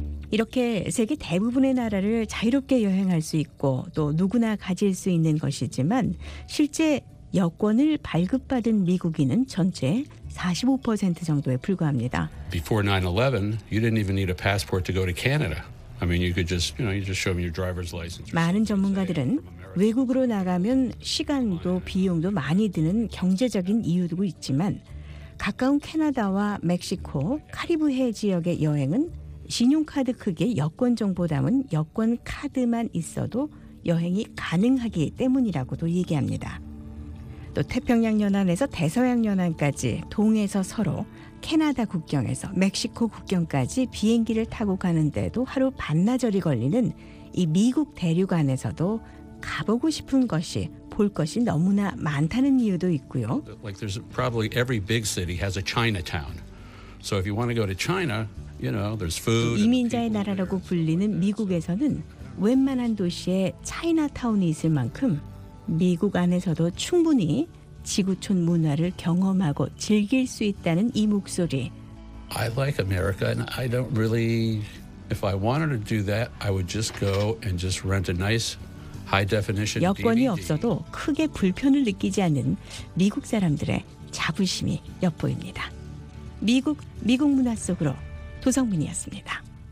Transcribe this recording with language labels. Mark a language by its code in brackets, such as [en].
[ko] 이렇게 세계 대부분의 나라를 자유롭게 여행할 수 있고 또 누구나 가질 수 있는 것이지만 실제 여권을 발급받은 미국인은 전체 45% 정도에 불과합니다. [en] Before 9/11, you didn't even need a passport to go to Canada. I mean, you could just, you know, you just show me your driver's license. [ko] 많은 전문가들은 외국으로 나가면 시간도 비용도 많이 드는 경제적인 이유도 있지만 가까운 캐나다와 멕시코, 카리브해 지역의 여행은 신용카드 크기의 여권 정보 담은 여권 카드만 있어도 여행이 가능하기 때문이라고도 얘기합니다. 또 태평양 연안에서 대서양 연안까지 동에서 서로 캐나다 국경에서 멕시코 국경까지 비행기를 타고 가는데도 하루 반나절이 걸리는 이 미국 대륙 안에서도 가보고 싶은 것이 볼 것이 너무나 많다는 이유도 있고요. [en] Like there's probably every big city has a Chinatown. So if you want to go to China, you know, there's food. [ko] 이민자의 나라라고 불리는 미국에서는 웬만한 도시에 차이나타운이 있을 만큼 미국 안에서도 충분히 지구촌 문화를 경험하고 즐길 수 있다는 이 목소리. [en] I like America and I don't really if I wanted to do that, I would just go and just rent a nice [ko] 여권이 없어도 크게 불편을 느끼지 않는 미국 사람들의 자부심이 엿보입니다. 미국 문화 속으로 도성민이었습니다.